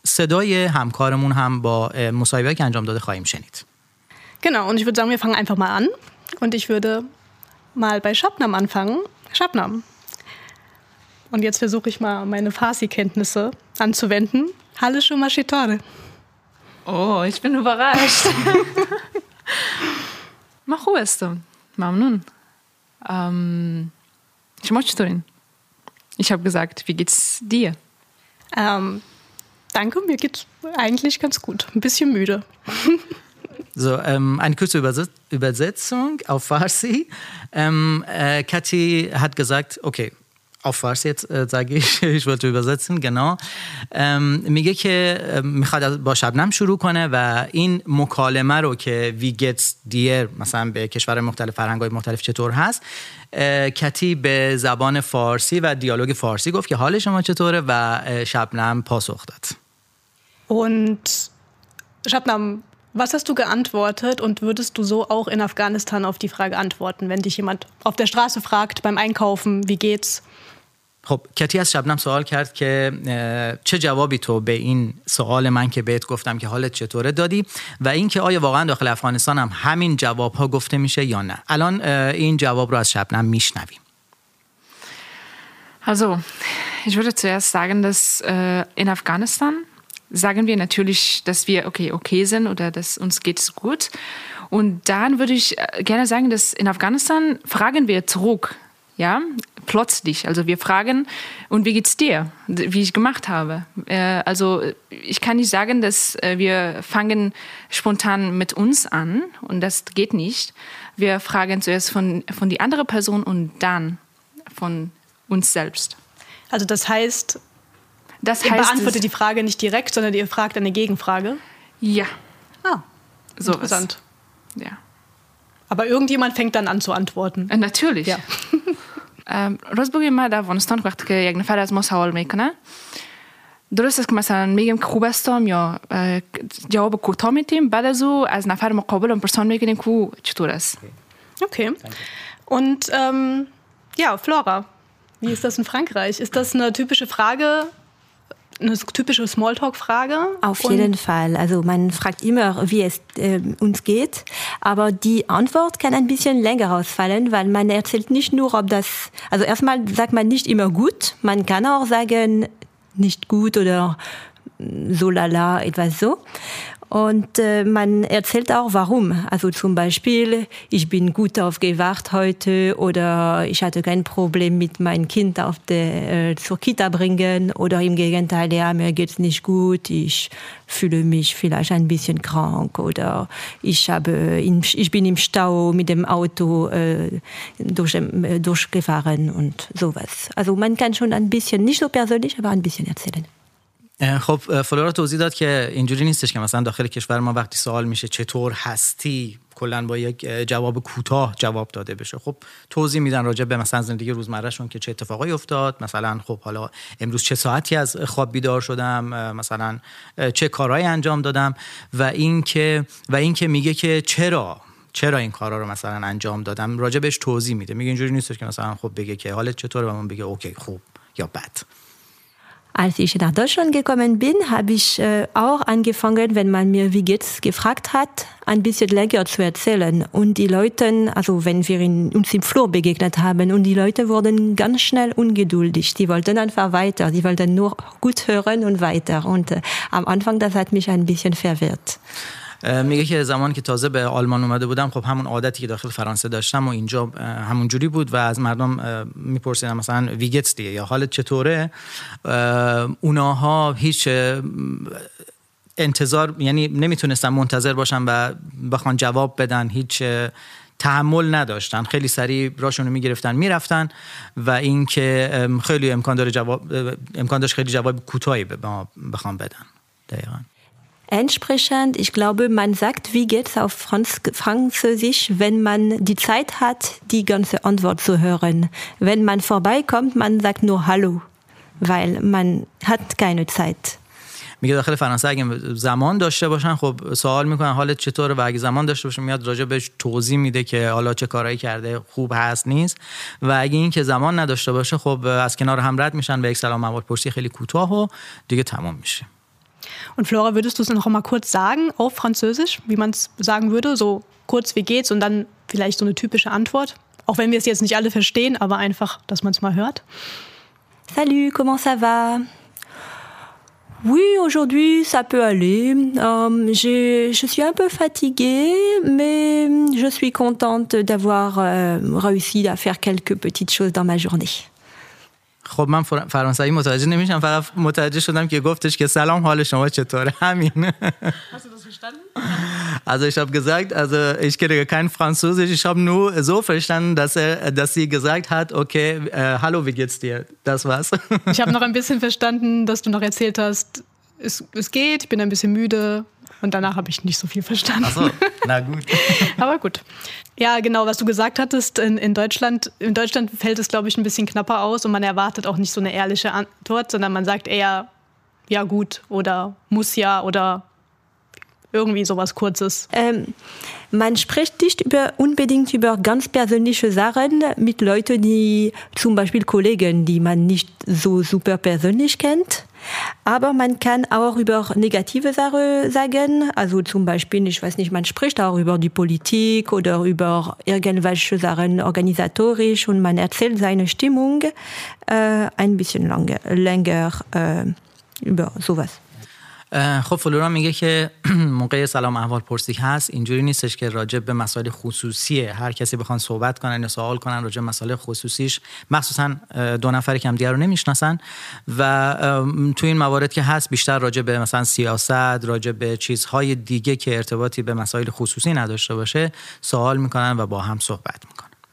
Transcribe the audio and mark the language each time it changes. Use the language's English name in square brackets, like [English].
[Persian] صدای همکارمون هم با مصاحبه‌ای که انجام داده خواهیم شنید. [German] Genau, und ich würde sagen, wir fangen einfach mal an. Und ich würde mal bei Shabnam anfangen. Shabnam. Und jetzt versuche ich mal, meine Farsi-Kenntnisse anzuwenden. [Persian] Hallo, Shuma Shitore. [German] Oh, ich bin überrascht. Machu esto. Mamnun. [Persian] Shuma Shitorin. [German] Ich habe gesagt, wie geht's dir? Danke, mir geht's eigentlich ganz gut. Ein bisschen müde. So, eine kurze Übersetzung auf Farsi. Kathi hat gesagt, okay, auf Farsi jetzt sage ich, ich wollte übersetzen, genau. [Persian] میگه که میخواد با شبنم شروع کنه و این مکالمه رو که [German] وی گتس دیر, [Persian] مثلا به کشور مختلف, فرهنگ‌های مختلف چطور هست, کتی به زبان فارسی و دیالوگ فارسی گفت که حال شما چطوره, و شبنم پاسخ داد. [German] Und Shabnam, was hast du geantwortet und würdest du so auch in Afghanistan auf die Frage antworten, wenn dich jemand auf der Straße fragt beim Einkaufen, wie geht's? [Persian] خب کتی از شبنم سوال کرد که چه جوابی تو به این سوال من که بهت گفتم که حالت چطوره دادی و اینکه آیا واقعا داخل افغانستان هم همین جواب ها گفته میشه یا نه. الان این جواب رو از شبنم میشنویم. [German] Also, ich würde zuerst sagen, dass in Afghanistan sagen wir natürlich, dass wir okay sind oder dass uns geht's gut. Und dann würde ich gerne sagen, dass in Afghanistan fragen wir zurück. Ja, plötzlich. Also wir fragen, und wie geht's dir, wie ich gemacht habe? Also ich kann nicht sagen, dass wir fangen spontan mit uns an, und das geht nicht. Wir fragen zuerst von die andere Person und dann von uns selbst. Also das heißt, ihr beantwortet die Frage nicht direkt, sondern ihr fragt eine Gegenfrage? Ja. Ah, so interessant. Was. Ja. Aber irgendjemand fängt dann an zu antworten. Natürlich. Ja. [Persian] روزبگی ما در افغانستان وقتی که یک نفر از ما سوال میکنه درست است که مثلا میگیم خوب هستم یا جواب کوتاه میتیم بعد از او از نفر مقابل اون پرسان میگیم که او چطور است. [German] اوکی und ja Flora, wie ist das in Frankreich? Ist das eine typische Frage, eine typische Smalltalk-Frage? Auf jeden Fall. Also man fragt immer, wie es uns geht. Aber die Antwort kann ein bisschen länger ausfallen, weil man erzählt nicht nur, ob das... Also erstmal sagt man nicht immer gut. Man kann auch sagen, nicht gut oder so lala, etwas so. Und man erzählt auch, warum. Also zum Beispiel, ich bin gut aufgewacht heute oder ich hatte kein Problem mit meinem Kind zur Kita bringen oder im Gegenteil, ja, mir geht's nicht gut, ich fühle mich vielleicht ein bisschen krank oder ich bin im Stau mit dem Auto durchgefahren und sowas. Also man kann schon ein bisschen, nicht so persönlich, aber ein bisschen erzählen. [Persian] خب فلورا توضیح داد که اینجوری نیستش که مثلا داخل کشور ما وقتی سوال میشه چطور هستی کلن با یک جواب کوتاه جواب داده بشه. خب توضیح میدن راجع به مثلا زندگی روزمره شون که چه اتفاقایی افتاد، مثلا خب حالا امروز چه ساعتی از خواب بیدار شدم، مثلا چه کارهایی انجام دادم و این که میگه که چرا این کارا رو مثلا انجام دادم راجع بهش توضیح میده. میگه اینجوری نیستش که مثلا خب بگه که حالت چطوره و من بگه اوکی خوب یا بد. [German] Als ich nach Deutschland gekommen bin, habe ich auch angefangen, wenn man mir wie geht's gefragt hat, ein bisschen länger zu erzählen. Und die Leute, also wenn wir uns im Flur begegnet haben, und die Leute wurden ganz schnell ungeduldig. Die wollten einfach weiter, die wollten nur gut hören und weiter. Und am Anfang, das hat mich ein bisschen verwirrt. [Persian] میگه که زمانی که تازه به آلمان اومده بودم خب همون عادتی که داخل فرانسه داشتم و اینجا همون جوری بود و از مردم میپرسیدم مثلا [German] وی گتس [Persian] دیگه یا حالت چطوره، اوناها هیچ انتظار یعنی نمیتونستن منتظر باشن و بخوان جواب بدن، هیچ تحمل نداشتن، خیلی سریع راشون رو میگرفتن میرفتن و این که خیلی امکان داشت خیلی جواب کوتاهی بخوان بدن. دقیقاً [German] entsprechend, ich glaube, man sagt, wie geht's auf Französisch, wenn man die Zeit hat, die ganze Antwort zu hören. Wenn man vorbeikommt, man sagt nur Hallo, weil man hat keine Zeit. [Persian] میگه داخل فرانسه اگه زمان داشته باشن خب سوال میکنن حالت چطوره و اگه زمان داشته باشن میاد راجع بهش توضیح میده که حالا چه کارایی کرده، خوب هست، نیست، و اگه این که زمان نداشته باشه خب از کنار هم رد میشن و یک سلام احوال پرسی خیلی کوتاه و دیگه تمام میشه. [German] Und Flora, würdest du es noch mal kurz sagen, auf Französisch, wie man es sagen würde, so kurz, wie geht's, und dann vielleicht so eine typische Antwort, auch wenn wir es jetzt nicht alle verstehen, aber einfach, dass man es mal hört. [French] Salut, comment ça va? Oui, aujourd'hui, ça peut aller. Je suis un peu fatiguée, mais je suis contente d'avoir réussi à faire quelques petites choses dans ma journée. [Persian] خب من فرانسوی متوجه نمیشم، فقط متوجه شدم که گفتش که سلام حال شما چطوره، همین. [German] Also ich habe gesagt, also ich kenne kein Französisch, ich habe nur so verstanden, dass sie gesagt hat, okay, hallo, wie geht's dir? Das war's. Ich habe noch ein bisschen verstanden, dass du noch erzählt hast, es geht, ich bin ein bisschen müde, und danach habe ich nicht so viel verstanden. Ach so, na gut. Aber gut. Ja, genau, was du gesagt hattest, in Deutschland fällt es, glaube ich, ein bisschen knapper aus und man erwartet auch nicht so eine ehrliche Antwort, sondern man sagt eher, ja gut oder muss ja oder irgendwie sowas Kurzes. Man spricht nicht über, unbedingt über ganz persönliche Sachen mit Leuten, die zum Beispiel Kollegen, die man nicht so super persönlich kennt. Aber man kann auch über negative Sachen sagen, also zum Beispiel, ich weiß nicht, man spricht auch über die Politik oder über irgendwelche Sachen organisatorisch und man erzählt seine Stimmung ein bisschen länger über sowas. [Persian] خب فلورا میگه که موقع سلام احوال پرسی هست اینجوری نیستش که راجب به مسائل خصوصیه هر کسی بخوان صحبت کنن یا سوال کنن راجب مسائل خصوصیش مخصوصا دو نفری که هم دیگر رو نمیشناسن و تو این موارد که هست بیشتر راجب به مثلا سیاست راجب به چیزهای دیگه که ارتباطی به مسائل خصوصی نداشته باشه سوال میکنن و با هم صحبت میکنن.